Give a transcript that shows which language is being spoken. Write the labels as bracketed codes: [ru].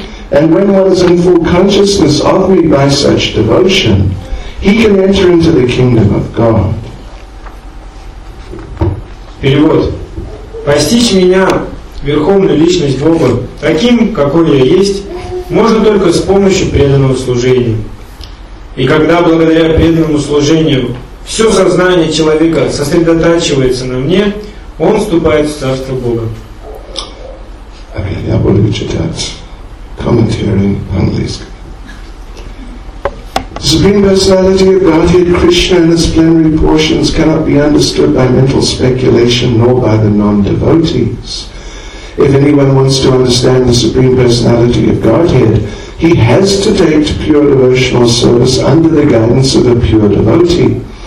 [en] And when one is in full consciousness of me by such devotion, he can enter into the kingdom of God. [ru] Перевод. Постичь меня, Верховную Личность Бога, таким, какой я есть, можно только с помощью преданного служения. И когда благодаря преданному служению все сознание человека сосредотачивается на мне, он вступает в Царство Бога. Я буду читать комментарий английского. [en] The Supreme Personality of Godhead, Krishna, and His plenary portions cannot be understood by mental speculation nor by the non-devotees. If anyone wants to understand the Supreme Personality of Godhead, he has to take to pure devotional service under the guidance of a pure devotee.